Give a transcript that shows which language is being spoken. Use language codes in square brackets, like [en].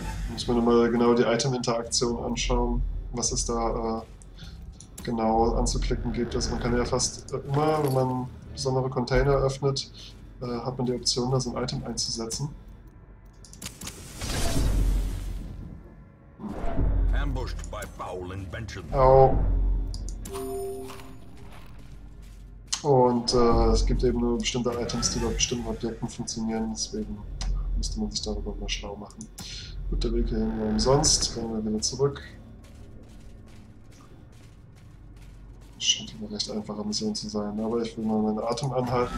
[de] Muss mir nochmal genau die Item-Interaktion anschauen. Was ist da. Genau anzuklicken gibt es. Man kann ja fast immer, wenn man besondere Container öffnet, hat man die Option, da so ein Item einzusetzen. [en] Ambushed by foul invention. Au. [de] Und es gibt eben nur bestimmte Items, die bei bestimmten Objekten funktionieren, deswegen müsste man sich darüber mal schlau machen. Gut, der Weg hierhin war umsonst, gehen wir wieder zurück. Scheint eine recht einfache Mission zu sein, aber ich will mal meinen Atem anhalten.